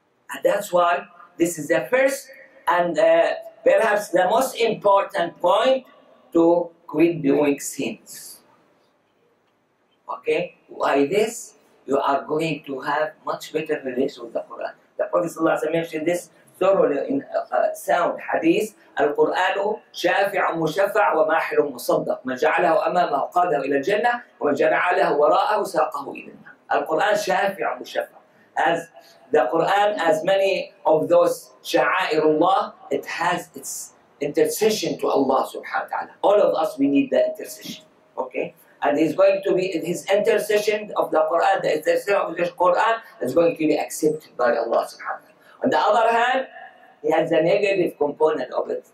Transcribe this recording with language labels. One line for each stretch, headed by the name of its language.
English: And that's why this is the first and perhaps the most important point to quit doing sins. Okay? Why this? You are going to have much better relation with the Qur'an. The Prophet ﷺ mentioned this thoroughly in a sound hadith.
Arabic: القرآن شافع مشفع وماحل مصدق من جعله أمامه قاده إلى الجنة ومن جعله وراءه ساقه إلى النار. القرآن شافع مشفع.
English: As the Quran, as many of those
Arabic: شعائر الله,
English: it has its intercession to Allah سبحانه وتعالى. All of us, we need the intercession. Okay? And he's going to be his intercession of the Quran, the intercession of the Quran is going to be accepted by Allah subhanahu wa ta'ala. On the other hand, he has a negative component of it.